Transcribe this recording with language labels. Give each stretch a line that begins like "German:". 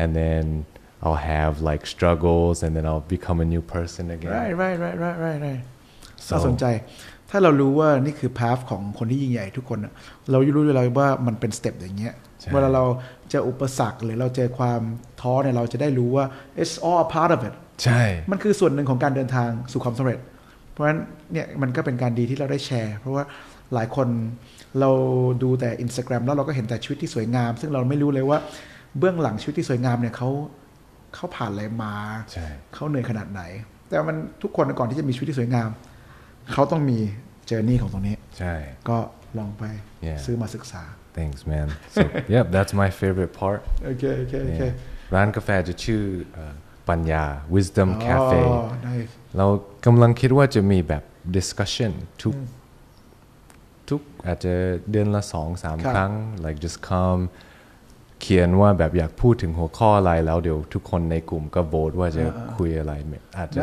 English: And then I'll have like struggles and then I'll become a new person again. Right.
Thai: So สนใจถ้าเรารู้ว่านี่คือ path ของคนที่ยิ่งใหญ่ทุกคนเรารู้อยู่แล้วว่ามันเป็น step อย่างเงี้ยเวลาเราเจออุปสรรคหรือเราเจอความท้อเนี่ยเราจะได้รู้ว่า
English: it's all a part of it.
Thai: ใช่ มันคือส่วนหนึ่งของการเดินทางสู่ความสําเร็จเพราะฉะนั้นเนี่ยมันก็เป็นการดีที่เราได้แชร์เพราะว่าหลายคนเราดูแต่ Instagram แล้วเราก็เห็นแต่ชีวิตที่สวยงามซึ่งเราไม่รู้เลยว่าเบื้องหลังชีวิตที่สวยงามเนี่ยเขาผ่านอะไรมาเขาเหนื่อยขนาดไหนแต่มันทุกคนก่อนที่จะมีชีวิตที่สวยงามเขาต้องมีเจอร์นี่ของตรงนี้ ใช่ ก็ลองไป
English: yeah.
Thai: ซื้อมาศึกษา
English: Thanks man so, Yep that's my favorite part Okay yeah.
Thai: ร้านกาแฟจะชื่อปัญญา Wisdom Cafe
English: nice.
Thai: เรากำลังคิดว่าจะมีแบบ discussion ทุกทุกอาจจะเดือนละ2 3 ครั้ง
English: like just come
Thai: เขียนว่าแบบอยากพูดถึงหัวข้ออะไรแล้วเดี๋ยวทุกคนในกลุ่มก็โหวตว่าจะคุยอะไรอาจจะ